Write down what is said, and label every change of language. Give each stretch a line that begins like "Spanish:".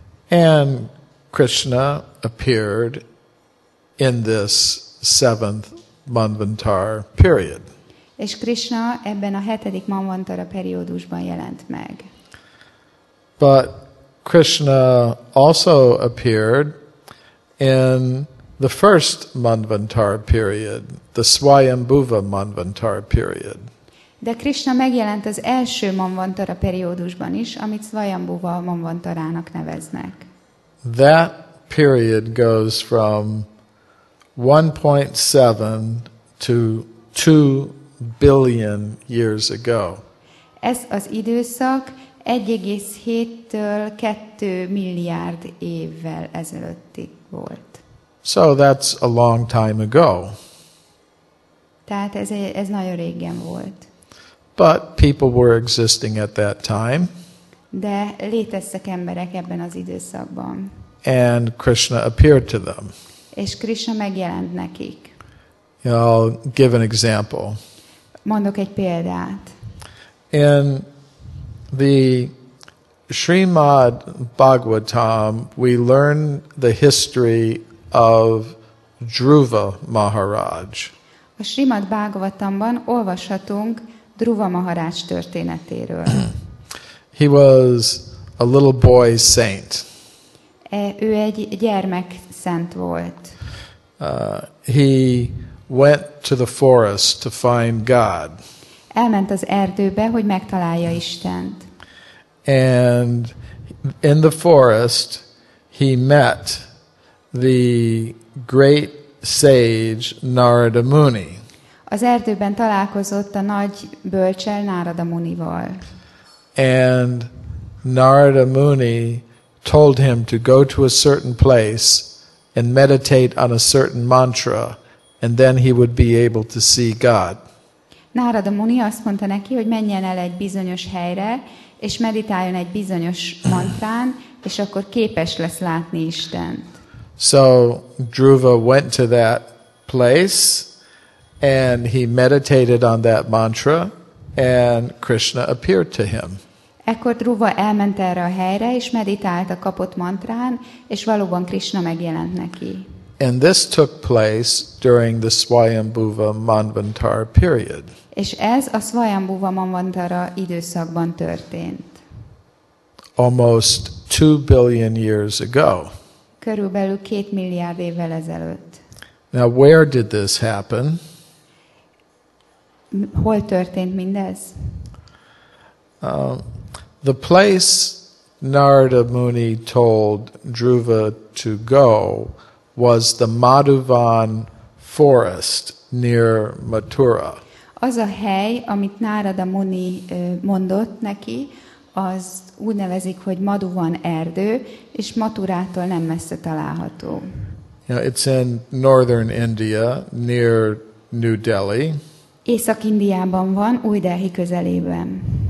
English: And Krishna appeared in this 7th manvantara period.
Hungarian: És Krishna ebben a 7. manvantara periódusban jelent meg.
English: But Krishna also appeared in the 1st manvantara period, the Svayambhuva manvantara period.
Hungarian: De Krishna megjelent az első manvantara periódusban is, amit Svayambhuva manvantarának neveznek.
English: That period goes from 1.7 to 2 billion years ago.
Hungarian: Ez az időszak 1,7-től 2 milliárd évvel ezelőtti volt.
English: So that's a long time ago.
Hungarian: Tehát ez nagyon régen volt.
English: But people were existing at that time.
Hungarian: De léteztek emberek ebben az időszakban.
English: And Krishna appeared to them.
Hungarian: És Krishna megjelent nekik.
English: I'll give an example.
Hungarian: Mondok egy példát.
English: In the Srimad Bhagavatam, we learn the history of Dhruva Maharaj.
Hungarian: A Srimad Bhagavatamban olvashatunk Dhruva Maharaj történetéről.
English: He was a little boy saint.
Hungarian: Ő egy gyermek szent volt.
English: He went to the forest to find God.
Hungarian: Elment az erdőbe, hogy megtalálja Istent.
English: And in the forest, he met the great sage Narada Muni.
Hungarian: Az erdőben találkozott a nagy bölcsel Narada Munival.
English: And Narada Muni told him to go to a certain place and meditate on a certain mantra, and then he would be able to see God.
Hungarian: Narada Muni azt mondta neki, hogy menjen el egy bizonyos helyre, és meditáljon egy bizonyos mantrán, és akkor képes lesz látni Istent.
English: So Dhruva went to that place, and he meditated on that mantra, and Krishna appeared to him.
Hungarian: Ekkor Dhruva elment erre a helyre, és meditált a kapott mantrán, és valóban Krishna megjelent neki.
English: And this took place during the Svayambhuva Manvantara period.
Hungarian: És ez a Svayambhuva Manvantara időszakban történt.
English: Almost 2 billion years ago.
Hungarian: Körülbelül 2 milliárd évvel ezelőtt.
English: Now where did this happen?
Hungarian: Hol történt mindez?
English: The place Narada Muni told Dhruva to go was the Madhuvan forest near Mathura.
Hungarian: Az a hely, amit Narada Muni mondott neki, az úgy nevezik, hogy Madhuvan erdő, és Mathurától nem messze található.
English: Now it's in northern India, near New Delhi.
Hungarian: Észak-Indiában van, Új-Delhi közelében.